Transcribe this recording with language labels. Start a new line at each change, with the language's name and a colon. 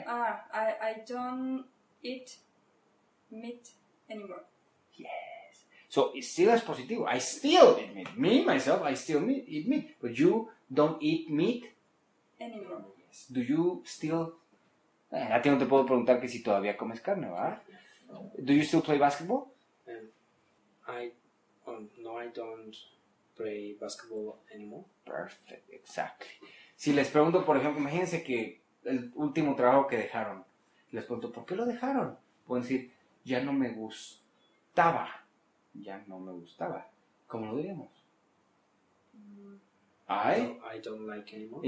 English: Still, I don't eat meat anymore. Yes. So, it still is positivo. I still eat meat. Me, myself, I still eat meat. But you don't eat meat anymore. Yes. Do you still...
Spanish: A ti no te puedo preguntar que si todavía comes carne, ¿verdad?
English: No. Do you still play basketball? I don't play basketball anymore. Perfect, exactly.
Spanish: Si les pregunto, por ejemplo, imagínense que el último trabajo que dejaron, les pregunto, ¿por qué lo dejaron? Pueden decir, ya no me gustaba. Ya no me gustaba. ¿Cómo lo diríamos?
English: I don't like anymore.